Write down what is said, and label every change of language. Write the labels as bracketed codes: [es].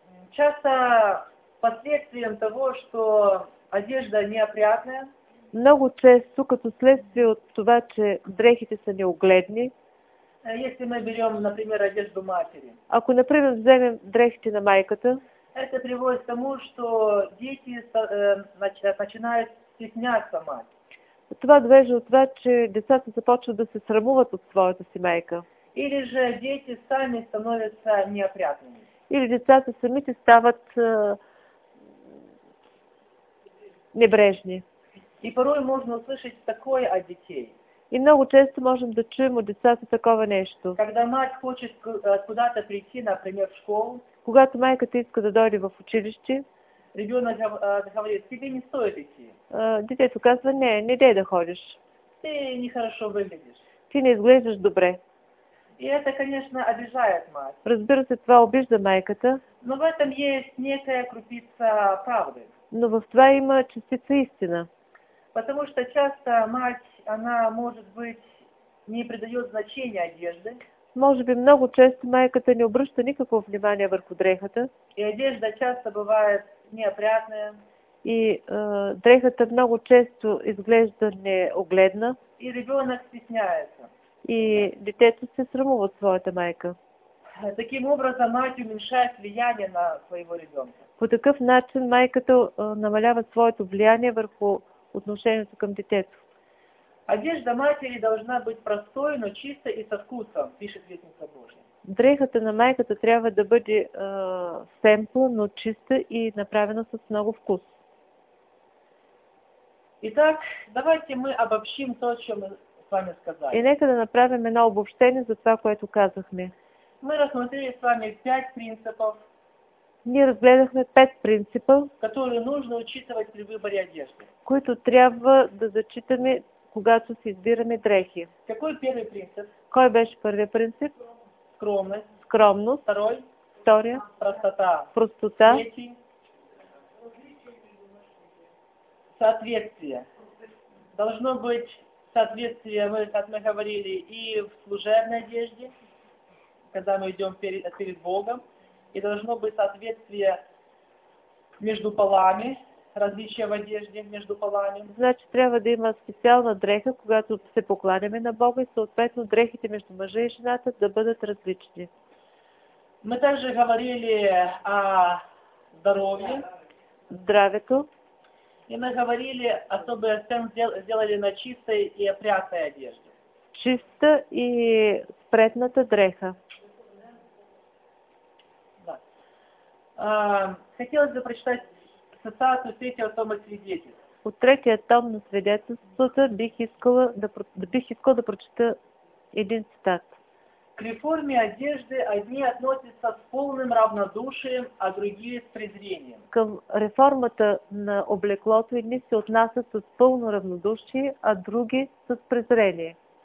[ru] Часто последствием того, что одежда неопрятная. [bg] Много често, като следствие от това, че дрехите са неугледни, [ru] если мы берем, например, одежду матери. [bg] Ако, например, вземем дрехите на майката, [ru] это приводит к тому, что дети начинают стесняться мать. [bg] Това довежда от това, че децата започват да се срамуват от своята си майка. [ru] Или же дети сами становятся неопрятными. [bg] Или децата самите стават небрежни. [ru] И порой можно услышать такое от детей. [bg] И много често можем да чуем от децата такова нещо. [ru] Когда мать хочет куда-то прийти, например, в школу. [bg] Когато майката иска да дойде в училище. [ru] Ребенок говорит, тебе не стоит идти. [bg] Детето казва, не, не дей да ходиш. [ru] Ты нехорошо выглядишь. [bg] Ти не изглеждаш добре. [ru] И это, конечно, обижает мать. [bg] Разбира се, това обижда майката. [ru] Но в этом есть некая крупица правды. [bg] Но в това има частица истина. [ru] Потому что часто мать она, может быть, не придает значения одежды. Может быть, [bg] много часто майката не обръща [ru] никакого [bg] внимания върху дрехата. [ru] И одежда часто бывает неопрятная. [bg] И дрехата много часто изглежда неогледна. [ru] И ребенок стесняется. [bg] И детето се срамува от своята майка. [ru] Таким образом, мать уменьшает влияние на своего ребенка. [bg] По такъв начин майката намалява своето влияние върху отношението към детето. [ru] Одежда матери должна быть простой, но чистой и со вкусом, пишет Вестница Божия. [bg] Дрехата на майката трябва да бъде семпла, но чиста и направена с много вкус. [ru] Итак, давайте мы обобщим то, что мы с вами сказали. [bg] И нека да направим едно обобщение за това, което казахме. [ru] Мы рассмотрели с вами 5 принципов. [bg] Ние разгледахме 5 принципа, [ru] которые нужно учитывать при выборе одежды. [bg] Които трябва да зачитаме, когато си избираме дрехи. [ru] Какой первый принцип? [bg] Кой беше първият принцип? [ru] Скромность. [bg] Скромност. [ru] Второй. [bg] Втория. [ru] Простота. [bg] Простота. [ru] Третий. Соответствие. Должно быть соответствие, как мы говорили, и в служебной одежде, когда мы идем перед Богом. И должно быть соответствие между полами. Различия в одежде между полами. [bg] Значи трябва да има специална дреха, когато се покланяме на Бога и съответно дрехите между мъжа и жената да бъдат различни. [ru] Мы также говорили о здоровье. [bg] Здравето. [ru] И мы говорили, особый акцент сделали на чистой и опрятной одежде. [bg] Чиста и спретната дреха. [ru] Да. Хотелось бы прочитать цитату от третьего тома свидетельств. [bg] От третия том на свидетелствата бих искала да прочита един цитат. [ru] К реформе одежды одни относятся с полным равнодушием, а другие с презрением. [bg] Към реформата на облеклото едни се отнасят с пълно равнодушие, а други с презрение.